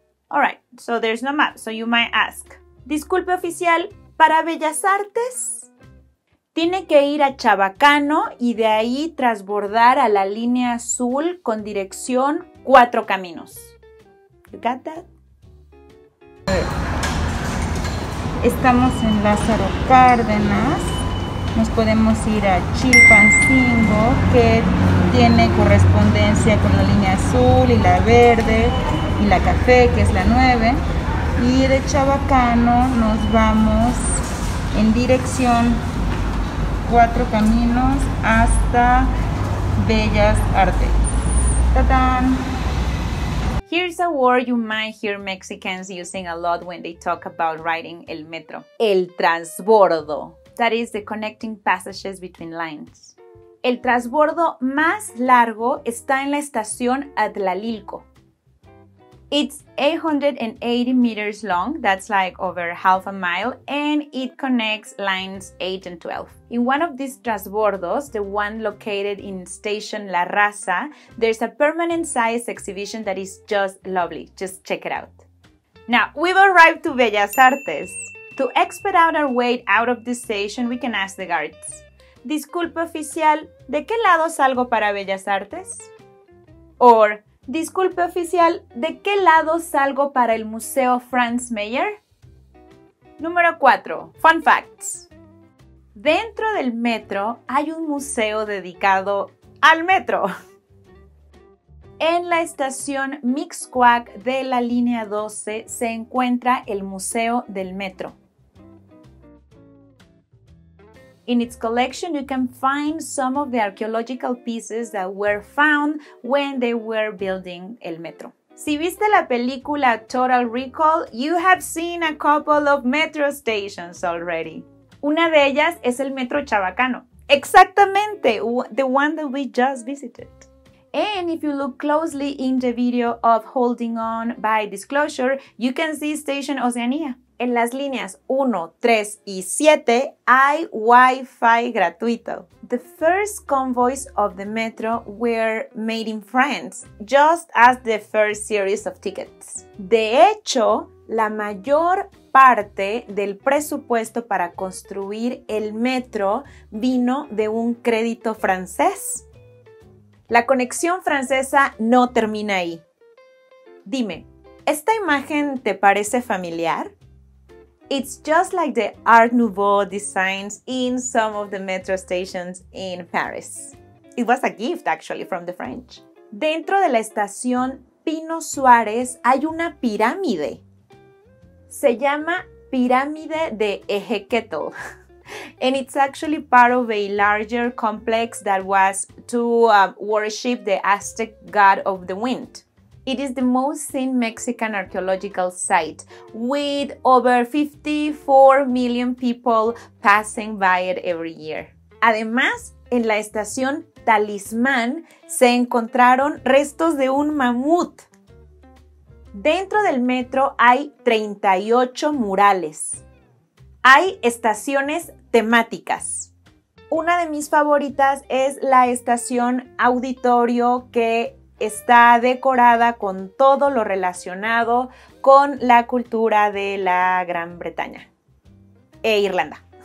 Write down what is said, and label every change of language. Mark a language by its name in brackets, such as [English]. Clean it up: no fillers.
[English] Alright, so there's no map, so you might ask. [Spanish] Disculpe, oficial, ¿Para Bellas Artes? Tiene que ir a Chabacano y de ahí transbordar a la línea azul con dirección Cuatro Caminos. [English] You got that? [Spanish] Estamos en Lázaro Cárdenas. Nos podemos ir a Chilpancingo, que tiene correspondencia con la línea azul y la verde y la café, que es la 9. Y de Chabacano nos vamos en dirección Cuatro Caminos hasta Bellas Artes. ¡Tadán! [English] Here's a word you might hear Mexicans using a lot when they talk about riding el metro. El transbordo. That is the connecting passages between lines. [Spanish] El transbordo más largo está en la estación Atlalilco. [English] It's 880 meters long, that's like over half a mile, and it connects lines 8 and 12. In one of these transbordos, the one located in station La Raza, there's a permanent size exhibition that is just lovely. Just check it out. Now, we've arrived to Bellas Artes. To expedite our way out of the station, we can ask the guards. [Spanish] Disculpe, oficial, ¿de qué lado salgo para Bellas Artes? Or, Disculpe, oficial, ¿de qué lado salgo para el Museo Franz Mayer? Número 4. [English] Fun facts. [Spanish] Dentro del metro hay un museo dedicado al metro. En la estación Mixcoac de la línea 12 se encuentra el Museo del Metro. [English] In its collection, you can find some of the archaeological pieces that were found when they were building el metro. [Spanish] Si viste la película [English] Total Recall, you have seen a couple of metro stations already. [Spanish] Una de ellas es el Metro Chabacano. Exactamente, [English] the one that we just visited. And if you look closely in the video of Holding On by Disclosure, you can see Station Oceania. [Spanish] En las líneas 1, 3 y 7 hay Wi-Fi gratuito. [English] The first convoys of the metro were made in France, just as the first series of tickets. [Spanish] De hecho, la mayor parte del presupuesto para construir el metro vino de un crédito francés. La conexión francesa no termina ahí. Dime, ¿esta imagen te parece familiar? [English] It's just like the Art Nouveau designs in some of the metro stations in Paris. It was a gift, actually, from the French. [Spanish] Dentro de la estación Pino Suárez hay una pirámide. Se llama Pirámide de Ejequetl. [English] And it's actually part of a larger complex that was to worship the Aztec god of the wind. It is the most seen Mexican archaeological site, with over 54 million people passing by it every year. [Spanish] Además, en la estación Talismán se encontraron restos de un mamut. Dentro del metro hay 38 murales. Hay estaciones temáticas. Una de mis favoritas es la estación Auditorio, que está decorada con todo lo relacionado con la cultura de la Gran Bretaña e Irlanda.